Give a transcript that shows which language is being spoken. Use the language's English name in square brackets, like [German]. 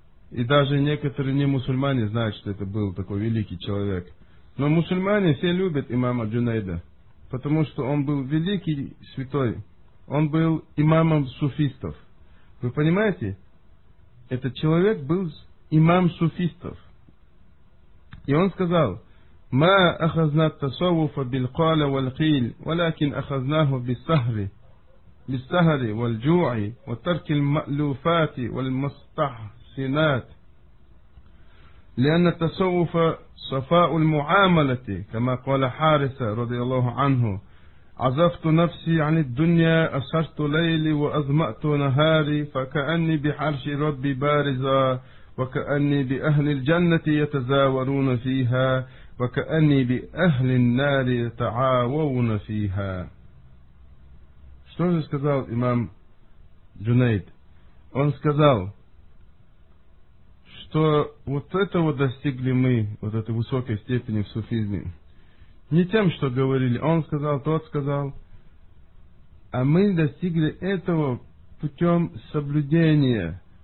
[Russian] И даже некоторые не мусульмане знают, что это был такой великий человек. Но мусульмане все любят имама Джунейда, потому что он был великий святой. Он был имамом суфистов. Вы понимаете? Этот человек был имам суфистов. И он сказал: [Arabic] ما أخذنا التصوف بالقال والقيل ولكن أخذناه بالسهر بالسهر والجوع وترك المألوفات والمستحسنات لأن التصوف صفاء المعاملة كما قال حارس رضي الله عنه عزفت نفسي عن الدنيا أسرت ليلي وأظمأت نهاري فكأني بحرش ربي بارزا وكأني بأهل الجنة يتزاورون فيها وَكَأَنِّي بِأَهْلِ النَّارِ تَعَاوَوْنَ فِيهَا. [Russian] Что же сказал имам Джунейд? Он сказал, что вот этого достигли мы, вот этой высокой степени в суфизме, не тем, что говорили, он сказал, тот сказал, а мы достигли этого путем соблюдения.